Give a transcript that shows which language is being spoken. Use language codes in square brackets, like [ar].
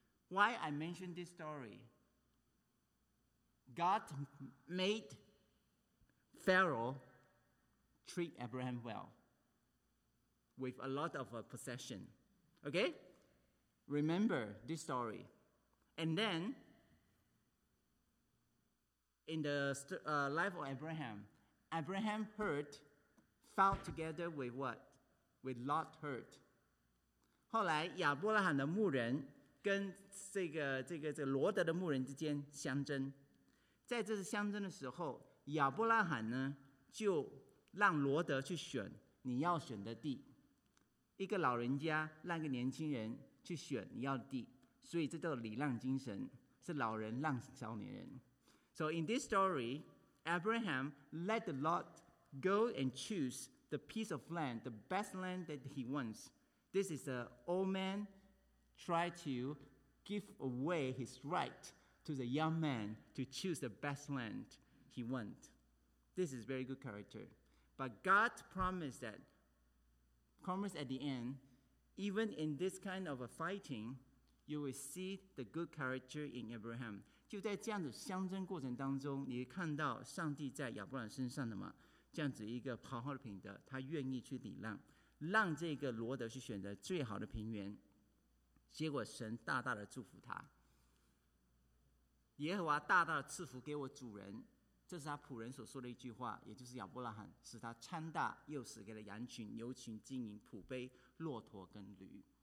[en] Why I mention this story? God made Pharaoh treat Abraham well with a lot of possession. Okay? Remember this story. And then, in the life of Abraham, Abraham heard, fought together with what? With Lot heard. [zh] 后来亚伯拉罕的牧人跟这个罗德的牧人之间相争，在这次相争的时候，亚伯拉罕呢就让罗德去选你要选的地，一个老人家让一个年轻人去选你要的地，所以这叫礼让精神，是老人让少年人。 [en] So in this story, Abraham let the Lot go and choose the piece of land, the best land that he wants. This is an old man. Try to give away his right to the young man to choose the best land he wants. This is very good character. But God promised at the end, even in this kind of a fighting, you will see the good character in Abraham. [zh] 就在这样的相争过程当中，你看到上帝在亚伯兰身上的吗？这样子一个好好的品德，他愿意去礼让，让这个罗德去选择最好的平原。结果神大大的祝福他，耶和华大大的赐福给我主人，这是他仆人所说的一句话，也就是亚伯拉罕使他昌大，又使给了羊群、牛群、金银、仆婢、骆驼跟驴。